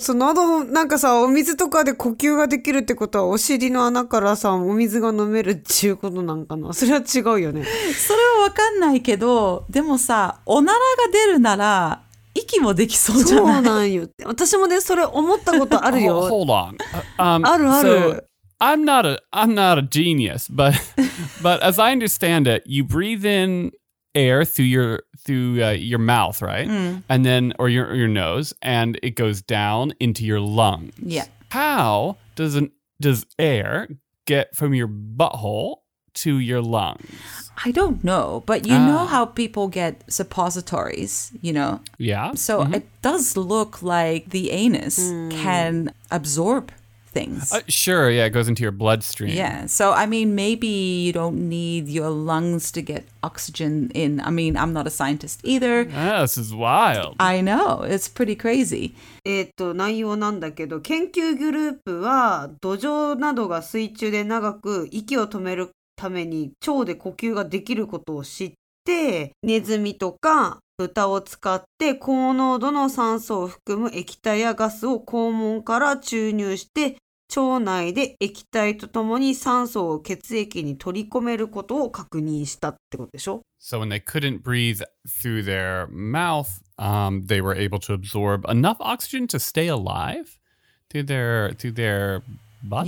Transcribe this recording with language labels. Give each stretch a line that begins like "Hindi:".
Japanese: その喉、なんかさ、お水とかで呼吸ができるってことは、お尻の穴からさ、お水が飲めるっていうことなんかな。それは違うよね。それはわかんないけど、でもさ、おならが出るなら、息もできそうじゃない？そうなんよ。私もね、それ思ったことあるよ。
English: Oh, hold on.
Japanese: あるある。
English: So, I'm not a genius, but as I understand it, you breathe in air through your mouth, right? Mm. And then, or your nose, and it goes down into your lungs. Yeah. How does air get from your butthole to your lungs? I don't know, but you know how people get suppositories, you know? Yeah. So mm-hmm. it does look like the anus can absorb things. Sure, yeah, it goes into your bloodstream. Yeah, so I mean, maybe you don't need your lungs to get oxygen in. I mean, I'm not a scientist either. Yeah, this is wild. I know, it's pretty crazy.
Japanese: 内容なんだけど、研究グループは土壌などが水中で長く息を止めるために腸で呼吸ができることを知って、ネズミとか豚を使って高濃度の酸素を含む液体やガスを肛門から注入して腸内で液体とともに酸素を血液に取り込めることを確認したってことでしょ?
English: So when they couldn't breathe through their mouth, they were able to absorb enough oxygen to stay alive through their butts?